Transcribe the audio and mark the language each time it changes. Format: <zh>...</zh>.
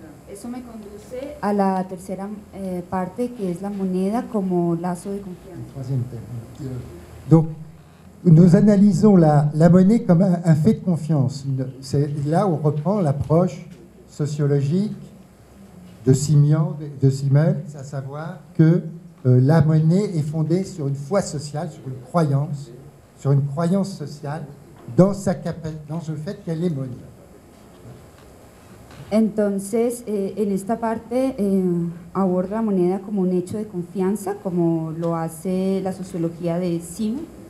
<es>Eso me conduce a la tercera parte que es la moneda como lazo de confianza.</es> <fr>Donc, nous analysons la monnaie comme un fait de confiance. C'est là où on reprend l'approche sociologique de Simian, de Simmels, à savoir que la monnaie est fondée sur une foi sociale, sur une croyance sociale dans le fait qu'elle est monnaie.</fr> <es>Entonces, en esta parte aborda la moneda como un hecho de confianza, como lo hace la sociología de Simmels.</es>